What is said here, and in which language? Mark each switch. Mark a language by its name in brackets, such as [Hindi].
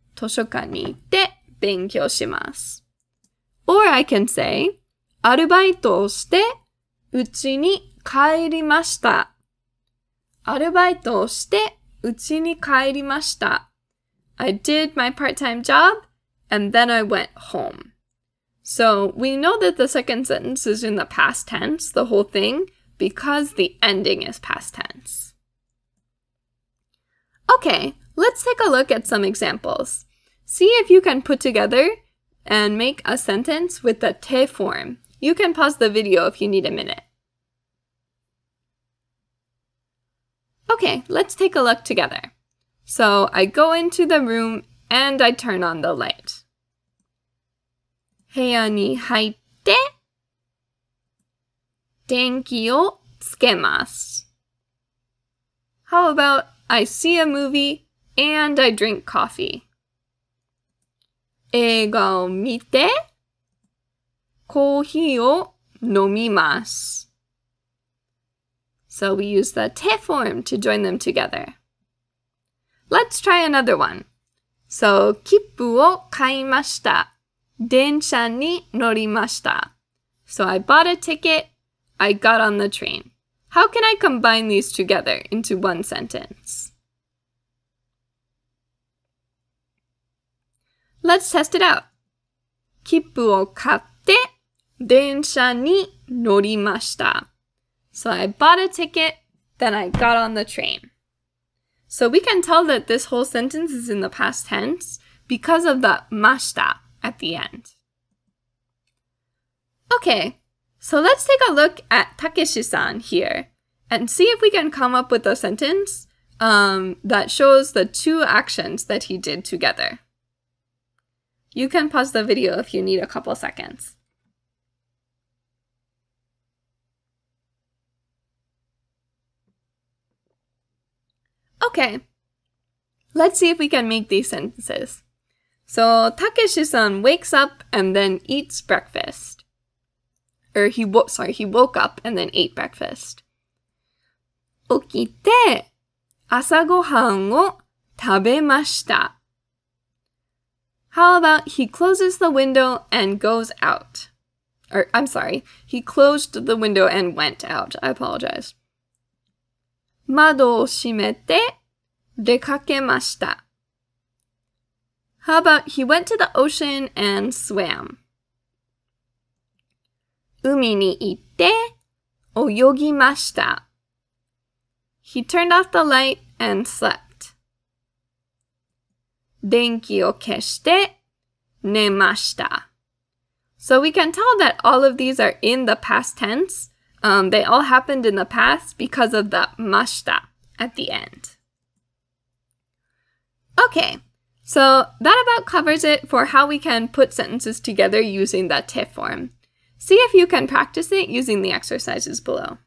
[Japanese] 図書館に行って勉強します。 [English] Or I can say, [Japanese] アルバイトをして家に帰りました。アルバイトをして家に帰りました。 [English] I did my part-time job, and then I went home. So, we know that the second sentence is in the past tense, the whole thing, because the ending is past tense. Okay, let's take a look at some examples. See if you can put together and make a sentence with the te form. You can pause the video if you need a minute. Okay, let's take a look together. So, I go into the room and I turn on the light. [Japanese] 部屋に入って電気をつけます。 [English] How about I see a movie and I drink coffee? [Japanese] 映画を見てコーヒーを飲みます。 [English] So we use the te form to join them together. Let's try another one. [Japanese] So, 切符を買いました。電車に乗りました。 [English] So I bought a ticket, I got on the train. How can I combine these together into one sentence? Let's test it out. [Japanese] 切符を買って電車に乗りました。 [English] So I bought a ticket, then I got on the train. So we can tell that this whole sentence is in the past tense because of the mashita at the end. Okay, so let's take a look at Takeshi-san here and see if we can come up with a sentence that shows the two actions that he did together. You can pause the video if you need a couple seconds. Okay, let's see if we can make these sentences. So, Takeshi-san wakes up and then eats breakfast. He woke up and then ate breakfast. [Japanese] 起きて朝ごはんを食べました。 [English] How about he closes the window and goes out? He closed the window and went out. I apologize. [Japanese] 窓を閉めて出かけました。 [English] How about he went to the ocean and swam? [Japanese] 海に行って泳ぎました。 [English] He turned off the light and slept. [Japanese] 電気を消して寝ました。 [English] So we can tell that all of these are in the past tense. They all happened in the past because of the mashita at the end. Okay, so that about covers it for how we can put sentences together using the te form. See if you can practice it using the exercises below.